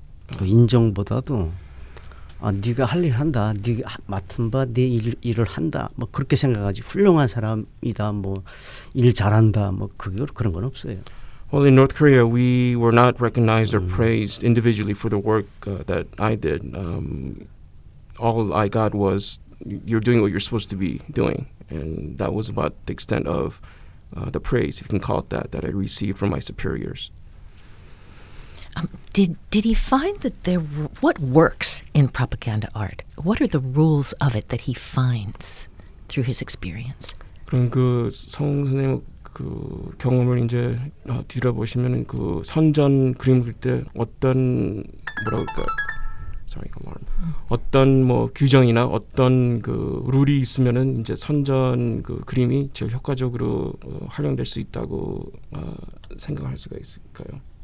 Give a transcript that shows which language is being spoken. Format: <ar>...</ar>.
<ko>그 인정보다도 아 네가 할 일 한다 네 맡은 바 네 일을 한다 뭐 그렇게 생각하지 훌륭한 사람이다 뭐 일 잘한다 뭐 그걸 그런 건 없어요.</ko> <en>Well, in North Korea, we were not recognized or praised individually for the work that I did. All I got was, you're doing what you're supposed to be doing. And that was about the extent of the praise, if you can call it that, that I received from my superiors. Did he find that there were, what works in propaganda art? What are the rules of it that he finds through his experience?</en> <ko>그럼 그 성 선생님 그 경험을 이제 뒤돌아보시면은 그 선전 그림 그릴 때 어떤 뭐랄까</ko> <en>sorry alarm</en> <ko>어떤 뭐 규정이나 어떤 그 룰이 있으면은 이제 선전 그 그림이 제일 효과적으로 활용될 수 있다고 생각할 수가 있을까요?</ko>